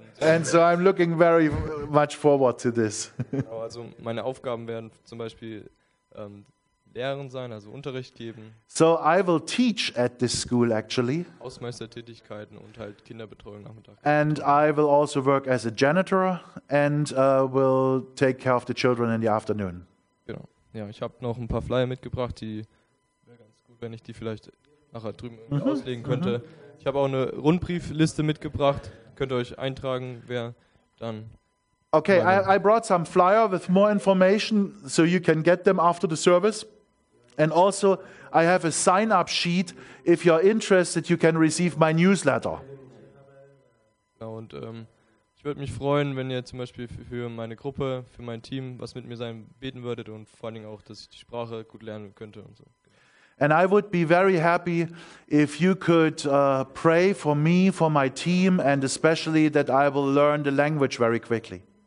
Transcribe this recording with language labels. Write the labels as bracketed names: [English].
[English] And so I'm looking very much forward to this. [German] Genau, also meine Aufgaben werden zum Beispiel Lehren sein, also Unterricht geben. [English] So I will teach at this school actually. [German] Hausmeistertätigkeiten und halt Kinderbetreuung nachmittags. [English] And I will also work as a janitor and will take care of the children in the afternoon. [German] Genau. Ja, ich habe noch ein paar Flyer mitgebracht, die wäre ganz gut, wenn ich die vielleicht nachher drüben auslegen könnte. Ich habe auch eine Rundbriefliste mitgebracht. Könnt ihr euch eintragen, wer dann. [English] Okay, I brought some flyer with more information, so you can get them after the service. And also, I have a sign-up sheet. If you're interested, you can receive my newsletter. [German] Ja, und ich würde mich freuen, wenn ihr zum Beispiel für meine Gruppe, für mein Team, was mit mir sein, beten würdet und vor allem auch, dass ich die Sprache gut lernen könnte und so. [English] And I would be very happy if you could pray for me, for my team, and especially that I will learn the language very quickly.